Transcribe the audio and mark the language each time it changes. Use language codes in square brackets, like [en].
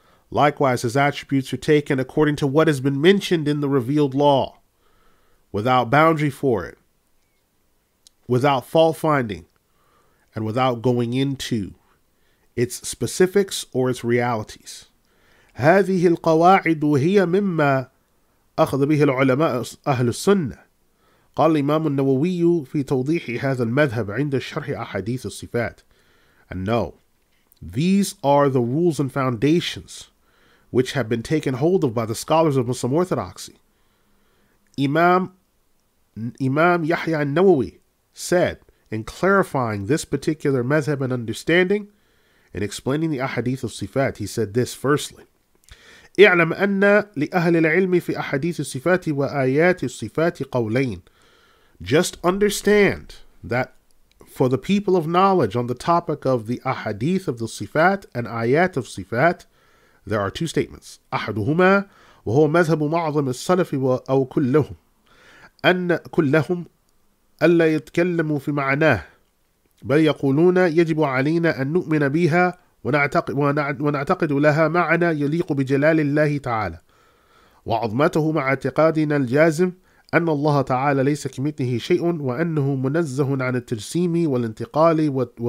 [en] Likewise, his attributes are taken according to what has been mentioned in the revealed law, without boundary for it, without fault finding, and without going into its specifics or its realities. [ar] هذه القواعد هي مما أخذ به العلماء أهل السنة. قال الإمام النووي في توضيح هذا المذهب عند شرح أحاديث الصفات. [en] And no, these are the rules and foundations which have been taken hold of by the scholars of Muslim Orthodoxy. Imam Yahya al-Nawawi said, in clarifying this particular madhab and understanding, in explaining the ahadith of sifat, he said this firstly, [ar] اعلم أن لأهل العلم في أحاديث الصفات وآيات الصفات قولين. [en] Just understand that for the people of knowledge on the topic of the ahadith of the sifat and ayat of sifat, there are two statements. [ar] أحدهما وهو مذهب معظم السلف أو كلهم أن كلهم ألا يتكلموا في معناه بل يقولون يجب علينا أن نؤمن بها ونعتقد لها معنى يليق بجلال الله تعالى وعظمته مع اعتقادنا الجازم أن الله تعالى ليس كمثله شيء وأنه منزه عن التجسيم والانتقال